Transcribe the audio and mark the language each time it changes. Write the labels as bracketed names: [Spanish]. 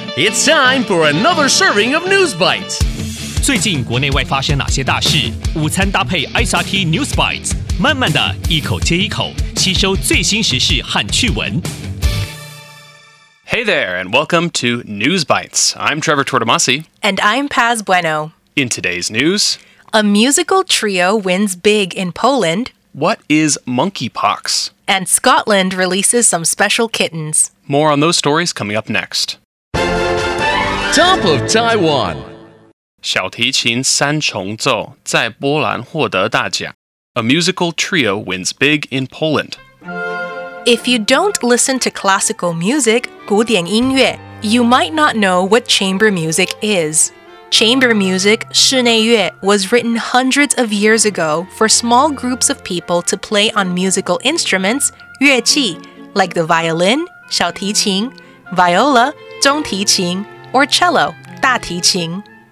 [English] It's time for another serving of News Bites. [Chinese] 最近国内外发生哪些大事？午餐搭配 SRT News Bites， 慢慢的一口接一口，吸收最新时事和趣闻。 [English] Hey there, and welcome to News Bites. I'm Trevor Tortomasi. And I'm Paz Bueno. In today's news, a musical trio wins big in Poland. What is monkeypox? And Scotland releases some special kittens. More on those stories coming up next. Top of Taiwan. [Chinese] 小提琴三重奏在波兰获得大奖。 [English] A musical trio wins big in Poland. If you don't listen to classical music, 古典音乐, you might not know what chamber music is. Chamber music, 室内乐, was written hundreds of years ago for small groups of people to play on musical instruments, 乐器, like the violin, 小提琴, viola, 中提琴, or cello, 大提琴。